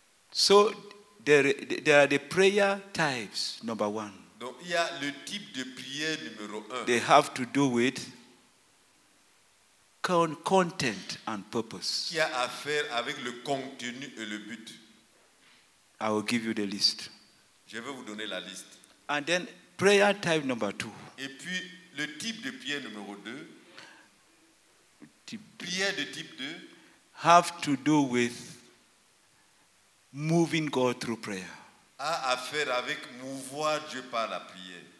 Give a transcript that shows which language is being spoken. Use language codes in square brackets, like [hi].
[en] So there are the prayer types, number one. [fr] Donc il y a le type de prière numéro un. [en] They have to do with content and purpose. [fr] Qui a à faire avec le contenu et le but. [en] I will give you the list. [fr] Je vais vous donner la liste. [en] And then prayer type number two. [fr] Et puis le type de prière numéro deux. Prière de type deux. [en] Have to do with moving God through prayer. [fr] A à faire avec mouvoir Dieu par la prière.